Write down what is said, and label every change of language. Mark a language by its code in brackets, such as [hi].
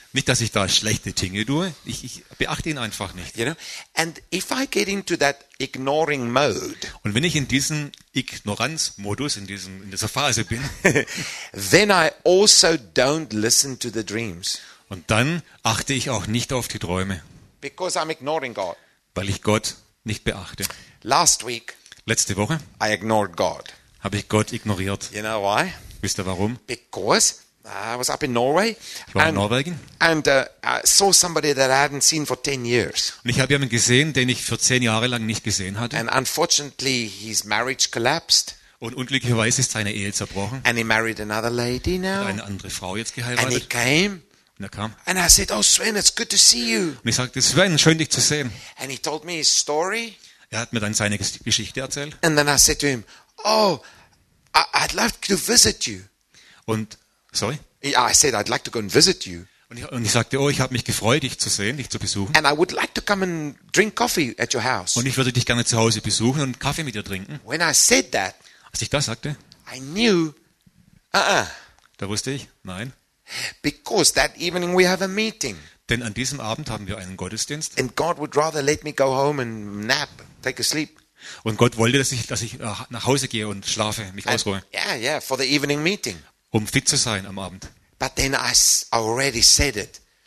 [de] Nicht, dass ich da schlechte Dinge tue. Ich beachte ihn einfach nicht. [en] You know? And if I get into that ignoring mode, [de] und wenn ich in diesem Ignoranzmodus, in dieser Phase bin, [en] then I also don't listen to the dreams. [de] Und dann achte ich auch nicht auf die Träume. [en] Because I'm ignoring God. [de] Weil ich Gott nicht beachte. [en] Last week, [de] letzte Woche, [en] I ignored God. [de] Habe ich Gott ignoriert. [en] You know why? [de] Wisst ihr warum? [en] Because I was up in Norway. [de] Ich war in Norwegen. [en] And I saw somebody that I hadn't seen for 10 years. [de] Und ich habe jemanden gesehen, den ich für 10 Jahre lang nicht gesehen hatte. [en] And unfortunately, his marriage collapsed. [de] Und unglücklicherweise ist seine Ehe zerbrochen. [en] And he married another lady now. [de] Hat eine andere Frau jetzt geheiratet. [en] And he came. [de] Und er kam. [en] And I said, "Oh, Sven, it's good to see you." [de] Und ich sagte, Sven, schön dich zu sehen. [en] And he told me his story. [de] Er hat mir dann seine Geschichte erzählt. [en] And then I said to him, "Oh, I'd love to visit you." [de] Und sorry. [en] Yeah, I said I'd like to go and visit you. [de] Und ich sagte, oh, ich habe mich gefreut, dich zu sehen, dich zu besuchen. [en] And I would like to come and drink coffee at your house. [de] Und ich würde dich gerne zu Hause besuchen und Kaffee mit dir trinken. [en] When I said that, [de] als ich das sagte, [en] I knew, [de] Da wusste ich, nein. [en] Because that evening we have a meeting. [de] Denn an diesem Abend haben wir einen Gottesdienst. [en] And God would rather let me go home and nap, take a sleep. [de] Und Gott wollte, dass ich nach Hause gehe und schlafe, mich ausruhe. [en] Yeah, for the evening meeting. [de] Um fit zu sein am Abend. [en] But then I already said it.